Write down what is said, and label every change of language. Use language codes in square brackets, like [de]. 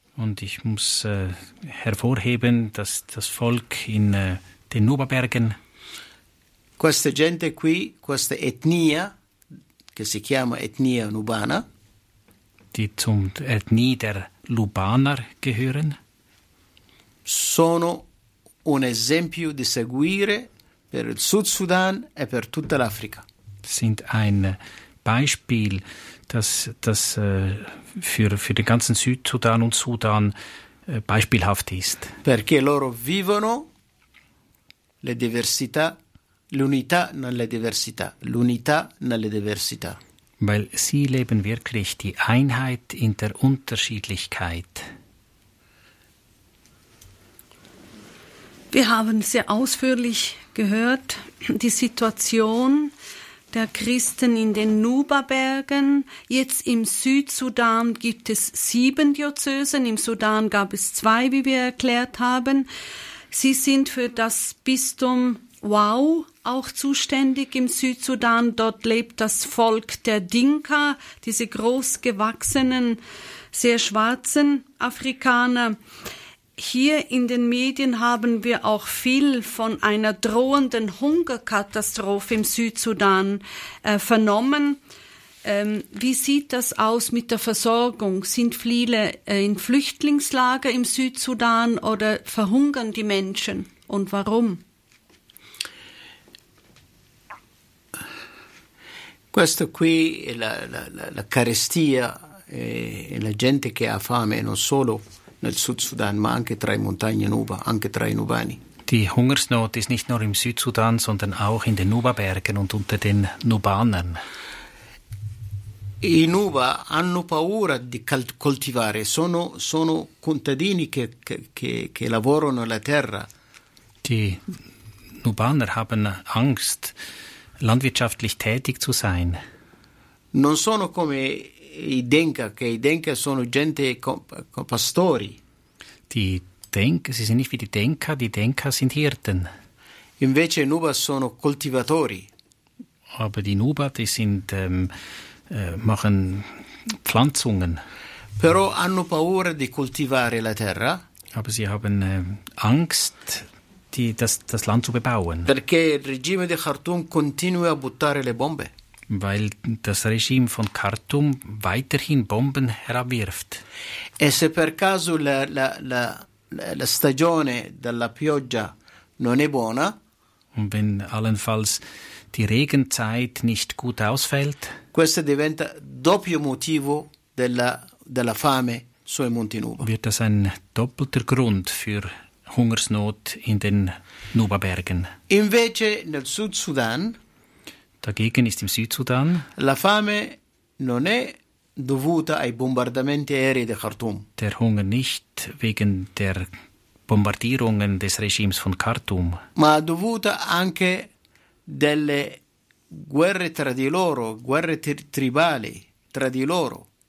[de] Und ich muss hervorheben, dass das Volk in den Nuba-Bergen. [it] Questa gente qui, questa etnia, che si chiama etnia nubana, [de] die zum Ethnie der Lubaner gehören, [it] sono un esempio di seguire per il Sud Sudan e per tutta l'Africa. [de] Sind ein Beispiel, das für den ganzen Südsudan und Sudan beispielhaft ist. [it] Perché loro vivono le diversità. L'unità nelle diversità. L'unità nelle diversità. [de] Weil sie leben wirklich die Einheit in der Unterschiedlichkeit. Wir haben sehr ausführlich gehört, die Situation der Christen in den Nuba-Bergen. Jetzt im Südsudan gibt es 7 Diözesen. Im Sudan gab es 2, wie wir erklärt haben. Sie sind für das Bistum Wau auch zuständig im Südsudan. Dort lebt das Volk der Dinka, diese großgewachsenen, sehr schwarzen Afrikaner. Hier in den Medien haben wir auch viel von einer drohenden Hungerkatastrophe im Südsudan vernommen. Wie sieht das aus mit der Versorgung? Sind viele in Flüchtlingslager im Südsudan oder verhungern die Menschen und warum? [it] Questo qui è la carestia e la gente che ha fame non solo nel Sud Sudan ma anche tra i montagne Nuba, anche tra i Nubani. [de] Die Hungersnot ist nicht nur im Südsudan, sondern auch in den Nuba-Bergen und unter den Nubanern. [it] I Nuba hanno paura di coltivare, sono contadini che lavorano la terra. [de] Die Nubaner haben Angst, landwirtschaftlich tätig zu sein. [it] Non sono come i Denka, che i Denka sono gente pastori. [de] Sie sind nicht wie die Denka sind Hirten. [it] Invece i Nuba sono coltivatori. [de] Aber die Nuba, die sind machen Pflanzungen. [it] Però hanno paura di coltivare la terra. [de] Aber sie haben Angst, das Land zu bebauen. [it] Perché il regime di Khartoum continua a buttare le bombe. [de] Weil das Regime von Khartoum weiterhin Bomben herabwirft. [it] E se per caso la stagione della pioggia non è buona, [de] und wenn allenfalls die Regenzeit nicht gut ausfällt, [it] questo diventa doppio motivo della fame sui Monti Nuba. [de] Wird das ein doppelter Grund für Hungersnot in den Nubabergen. [it] Invece nel Sud Sudan, [de] dagegen ist im Südsudan, [it] la fame non è dovuta ai bombardamenti aerei di Khartoum. [de] Der Hunger nicht wegen der Bombardierungen des Regimes von Khartoum. [it] Ma dovuta anche delle guerre tra di loro, guerre tribali tra di loro.